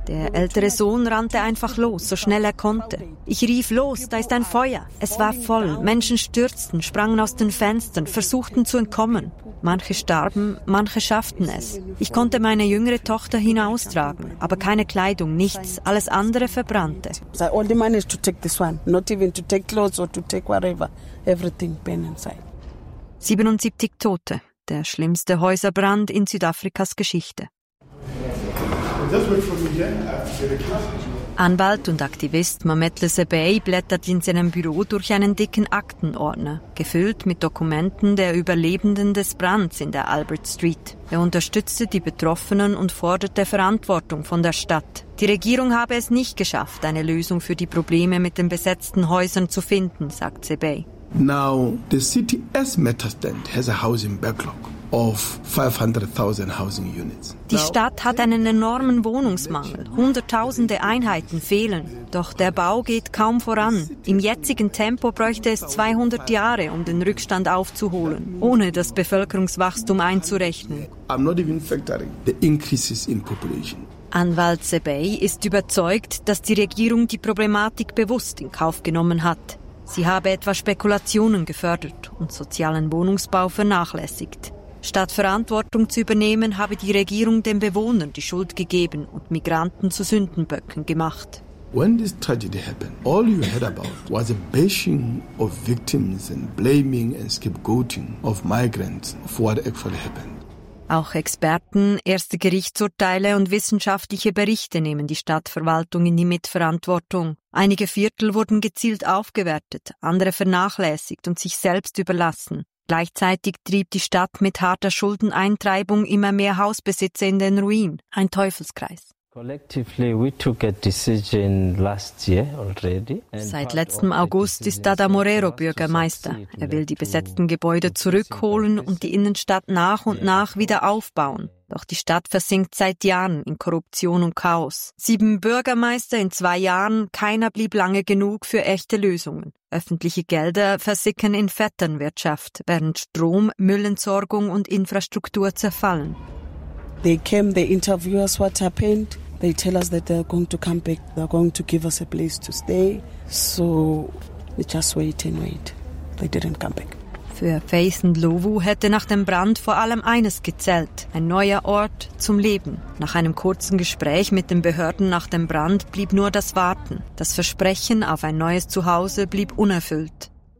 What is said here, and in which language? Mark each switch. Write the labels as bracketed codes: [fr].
[de] Der ältere Sohn rannte einfach los, so schnell er konnte. Ich rief, los, da ist ein Feuer. Es war voll, Menschen stürzten, sprangen aus den Fenstern, versuchten zu entkommen. Manche starben, manche schafften es. Ich konnte meine jüngere Tochter hinaustragen, aber keine Kleidung, nichts, alles andere verbrannte. [en] All the money is to take this one, not even to take clothes or to take whatever, everything burned inside. [de] 77 Tote, der schlimmste Häuserbrand in Südafrikas Geschichte. Anwalt und Aktivist Mametle Sebei blättert in seinem Büro durch einen dicken Aktenordner, gefüllt mit Dokumenten der Überlebenden des Brands in der Albert Street. Er unterstützte die Betroffenen und forderte Verantwortung von der Stadt. Die Regierung habe es nicht geschafft, eine Lösung für die Probleme mit den besetzten Häusern zu finden, sagt Sebei. [en] Now the city as Metastand has a housing backlog. Of 500,000 housing units. [de] Die Stadt hat einen enormen Wohnungsmangel. Hunderttausende Einheiten fehlen. Doch der Bau geht kaum voran. Im jetzigen Tempo bräuchte es 200 Jahre, um den Rückstand aufzuholen, ohne das Bevölkerungswachstum einzurechnen. [en] I'm not even factoring the increases in population. [de] Anwalt Sebei ist überzeugt, dass die Regierung die Problematik bewusst in Kauf genommen hat. Sie habe etwa Spekulationen gefördert und sozialen Wohnungsbau vernachlässigt. Statt Verantwortung zu übernehmen, habe die Regierung den Bewohnern die Schuld gegeben und Migranten zu Sündenböcken gemacht. [en] When this tragedy happened, all you heard about was a bashing of victims and blaming and scapegoating of migrants for what actually happened. [de] Auch Experten, erste Gerichtsurteile und wissenschaftliche Berichte nehmen die Stadtverwaltung in die Mitverantwortung. Einige Viertel wurden gezielt aufgewertet, andere vernachlässigt und sich selbst überlassen. Gleichzeitig trieb die Stadt mit harter Schuldeneintreibung immer mehr Hausbesitzer in den Ruin. Ein Teufelskreis. [en] Collectively we took a decision last year already. [de] Seit letztem August ist Dada Morero Bürgermeister. Er will die besetzten Gebäude zurückholen und die Innenstadt nach und nach wieder aufbauen. Doch die Stadt versinkt seit Jahren in Korruption und Chaos. 7 Bürgermeister in 2 Jahren, keiner blieb lange genug für echte Lösungen. Öffentliche Gelder versickern in Vetternwirtschaft, während Strom, Müllentsorgung und Infrastruktur zerfallen. [en] They came, they interview us what happened. They tell us that they're going to come back, they're going to give us a place to stay. So we just wait and wait. They didn't come back. [de] Für Faith Ndlovu hätte nach dem Brand vor allem eines gezählt, ein neuer Ort zum Leben. Nach einem kurzen Gespräch mit den Behörden nach dem Brand blieb nur das Warten. Das Versprechen auf ein neues Zuhause blieb unerfüllt.